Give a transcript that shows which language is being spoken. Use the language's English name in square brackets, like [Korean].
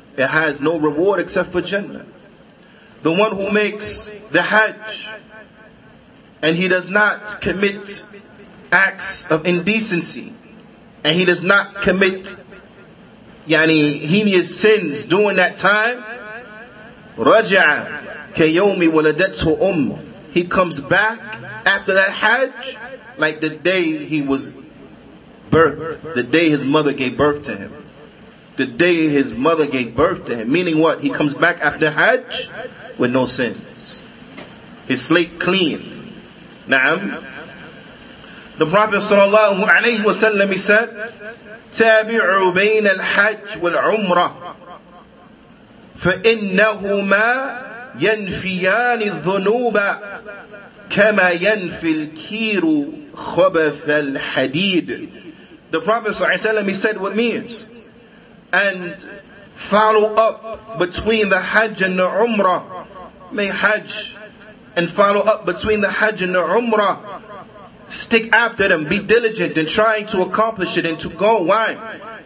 [English] It has no reward except for Jannah. The one who makes the Hajj and he does not commit acts of indecency, and he does not commit yani heinous sins during that time, [Arabic] رَجْعَ كَيَوْمِ وَلَدَتْهُ أُمَّ, [English] he comes back after that Hajj like the day he was birthed, the day his mother gave birth to him. The day his mother gave birth to him. Meaning what? He comes back after Hajj with no sins. His slate clean. Na'am. The Prophet sallallahu alayhi wa sallam, he said, [Arabic] تَابِعُوا بَيْنَ الْحَجِّ وَالْعُمْرَةِ فَإِنَّهُمَا يَنْفِيَانِ الذُّنُوبَ كَمَا يَنْفِي الْكِيرُ خَبَثَ الْحَدِيدِ. [English] The Prophet sallallahu alayhi wa sallam, he said what means. And follow up between the Hajj and the Umrah. May Hajj and follow up between the Hajj and the Umrah. Stick after them, be diligent in trying to accomplish it and to go. Why?